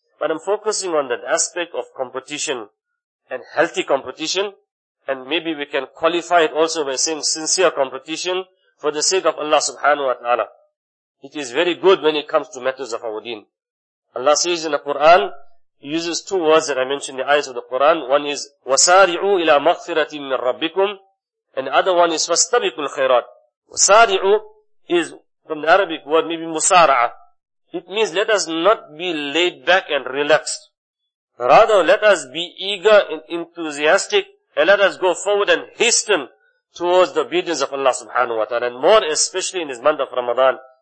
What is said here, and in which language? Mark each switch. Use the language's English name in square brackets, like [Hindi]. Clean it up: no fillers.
[English] But I'm focusing on that aspect of competition and healthy competition. And maybe we can qualify it also by saying sincere competition for the sake of Allah subhanahu wa ta'ala. It is very good when it comes to matters of our deen. Allah says in the Quran, He uses two words that I mentioned in the ayahs of the Quran. One is, [Arabic] وَسَارِعُوا إِلَىٰ مَغْفِرَةٍ مِّن رَبِّكُمْ. [English] And the other one is, [Arabic] فَاسْتَبِقُوا الْخَيْرَاتِ. وَسَارِعُوا [English] is, from the Arabic word, maybe مُسَارَعَة. It means let us not be laid back and relaxed. Rather, let us be eager and enthusiastic, and let us go forward and hasten towards the obedience of Allah subhanahu wa ta'ala, and more especially in this month of Ramadan.